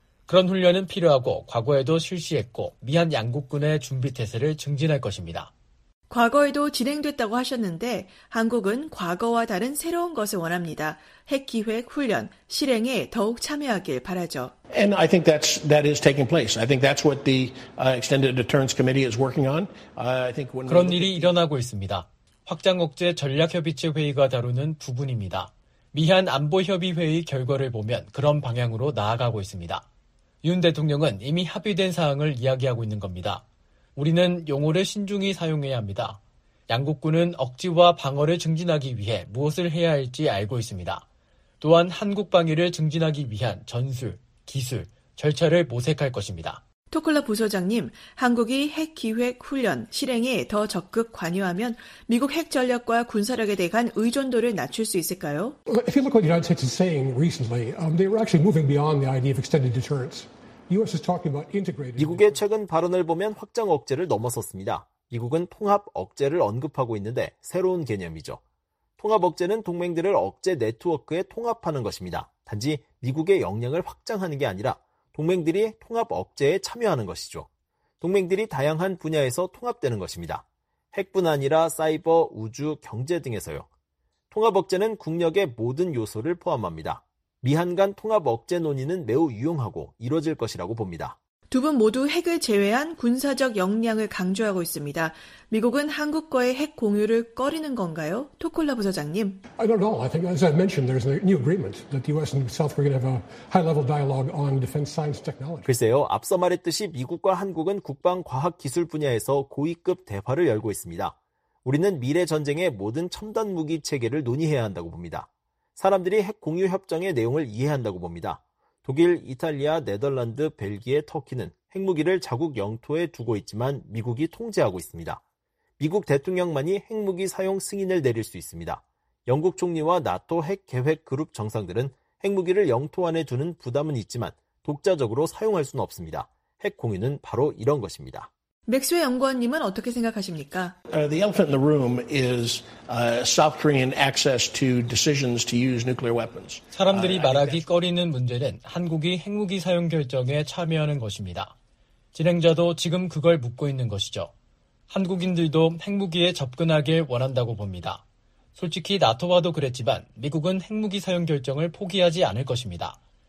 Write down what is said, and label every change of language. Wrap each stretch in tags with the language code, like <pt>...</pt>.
<ko>그런 훈련은 필요하고 과거에도 실시했고 미한 양국군의 준비태세를 증진할 것입니다. 과거에도 진행됐다고 하셨는데 한국은 과거와 다른 새로운 것을 원합니다. 핵 기획 훈련 실행에 더욱 참여하길 바라죠.</ko> <en>And I think that is taking place. I think that's what the extended deterrence committee is working on. I think when</en> <ko>그런 일이 일어나고 있습니다. 확장 억제 전략 협의체 회의가 다루는 부분입니다. 미한 안보 협의 회의 결과를 보면 그런 방향으로 나아가고 있습니다. 윤 대통령은 이미 합의된 사항을 이야기하고 있는 겁니다. 우리는 용어를 신중히 사용해야 합니다. 양국군은 억지와 방어를 증진하기 위해 무엇을 해야 할지 알고 있습니다. 또한 한국 방위를 증진하기 위한 전술, 기술, 절차를 모색할 것입니다. 토클라 부소장님, 한국이 핵 기획 훈련 실행에 더 적극 관여하면 미국 핵 전력과 군사력에 대한 의존도를 낮출 수 있을까요?</ko> <en>If you look what the United States is saying recently, they were actually moving beyond the idea of extended deterrence.</en> <ko>미국의 최근 발언을 보면 확장 억제를 넘어섰습니다. 미국은 통합 억제를 언급하고 있는데 새로운 개념이죠. 통합 억제는 동맹들을 억제 네트워크에 통합하는 것입니다. 단지 미국의 역량을 확장하는 게 아니라 동맹들이 통합 억제에 참여하는 것이죠. 동맹들이 다양한 분야에서 통합되는 것입니다. 핵뿐 아니라 사이버, 우주, 경제 등에서요. 통합 억제는 국력의 모든 요소를 포함합니다. 미한 간 통합 억제 논의는 매우 유용하고 이뤄질 것이라고 봅니다. 두 분 모두 핵을 제외한 군사적 역량을 강조하고 있습니다. 미국은 한국과의 핵 공유를 꺼리는 건가요? 토콜라 부사장님.</ko> <en>I don't know. I think as I mentioned there's a new agreement that the US and South Korea have a high level dialogue on defense science technology.</en> <ko>글쎄요. 앞서 말했듯이 미국과 한국은 국방 과학 기술 분야에서 고위급 대화를 열고 있습니다. 우리는 미래 전쟁의 모든 첨단 무기 체계를 논의해야 한다고 봅니다. 사람들이 핵 공유 협정의 내용을 이해한다고 봅니다. 독일, 이탈리아, 네덜란드, 벨기에, 터키는 핵무기를 자국 영토에 두고 있지만 미국이 통제하고 있습니다. 미국 대통령만이 핵무기 사용 승인을 내릴 수 있습니다. 영국 총리와 나토 핵 계획 그룹 정상들은 핵무기를 영토 안에 두는 부담은 있지만 독자적으로 사용할 수는 없습니다. 핵 공유는 바로 이런 것입니다. 맥스웰 연구원님은 어떻게 생각하십니까?</ko> <en>The elephant in the room is South Korean access to decisions to use nuclear weapons.</en> <ko>사람들이 말하기 꺼리는 문제는 한국이 핵무기 사용 결정에 참여하는 것입니다. 진행자도 지금 그걸 묻고 있는 것이죠. 한국인들도 핵무기에 접근하길 원한다고 봅니다. 솔직히 나토와도 그랬지만 미국은 핵무기 사용 결정을 포기하지 않을 것입니다.</ko>